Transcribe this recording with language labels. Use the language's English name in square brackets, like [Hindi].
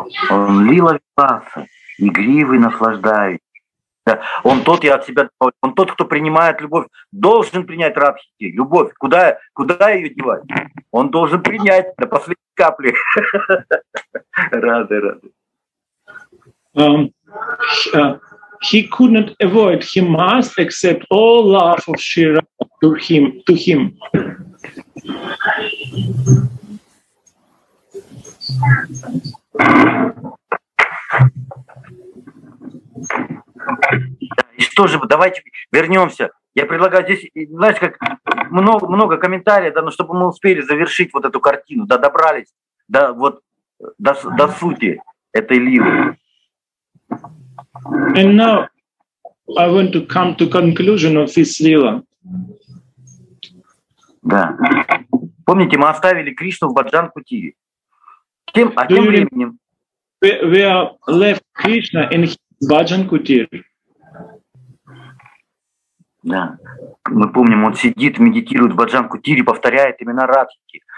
[Russian] Он лила виласа, игривый наслаждающий. Он тот, я от себя добавлю, он тот, кто принимает любовь, должен принять Радхи, любовь. Куда ее девать? Он должен принять до последней капли. Рады, рады. [English] He couldn't avoid, he must accept all love of Sri Radha to him. [Russian] И что же, давайте вернемся. Я предлагаю здесь, знаешь, как много комментариев, да, но чтобы мы успели завершить вот эту картину, да, добрались до, вот, до сути этой лилы. [English] And now I want to come to conclusion of this lila. [Russian] Да. Помните, мы оставили Кришну в Баджан-Кути. Тем временем. [English] We are left Krishna in Bhajan-Kuti. [Russian] Да. Мы помним, он сидит, медитирует в Баджан-Кути, повторяет имена Радхики.